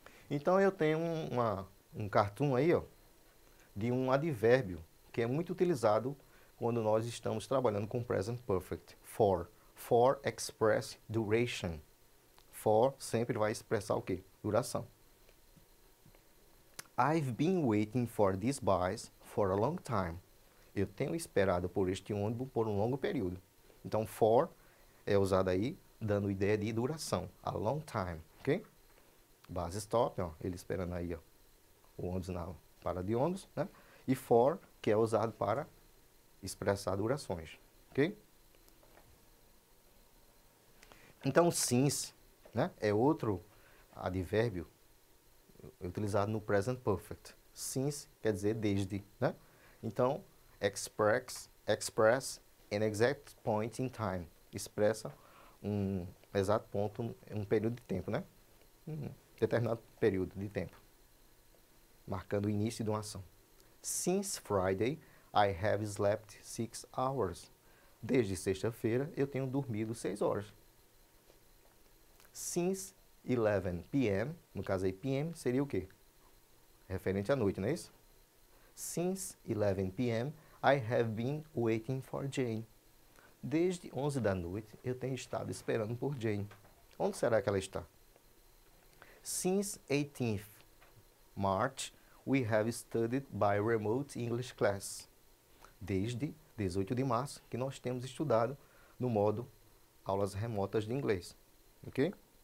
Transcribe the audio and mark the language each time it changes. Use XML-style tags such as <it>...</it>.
<pt>Então, eu tenho um cartoon aí, ó, de um advérbio que é muito utilizado quando nós estamos trabalhando com present perfect,</pt> <en>for express duration.</en> <pt>For sempre vai expressar o quê? Duração.</pt> <en>I've been waiting for this bus for a long time.</en> <pt>Eu tenho esperado por este ônibus por um longo período. Então, for é usado aí dando ideia de duração.</pt> <en>A long time,</en> <pt>ok? Bus stop, ó, ele esperando aí, ó, o ônibus na parada de ônibus, né? E for, que é usado para expressar durações, ok? Então, since, né, é outro advérbio utilizado no present perfect.</pt> <en>Since</en> <pt>quer dizer desde, né? Então,</pt> <en>express an exact point in time.</en> <pt>Expressa um exato ponto, um período de tempo, né? Determinado período de tempo, marcando o início de uma ação.</pt> <en>Since Friday, I have slept 6 hours.</en> <pt>Desde sexta-feira, eu tenho dormido 6 horas.</pt> <en>Since 11 p.m.,</en> <pt>no caso aí p.m., seria o quê? Referente à noite, não é isso?</pt> <en>Since 11 p.m., I have been waiting for Jane.</en> <pt>Desde 11 da noite, eu tenho estado esperando por Jane. Onde será que ela está?</pt> <en>Since 18th March, we have studied by remote English class.</en> <pt>Desde 18 de março, que nós temos estudado no modo aulas remotas de inglês. Ok?</pt>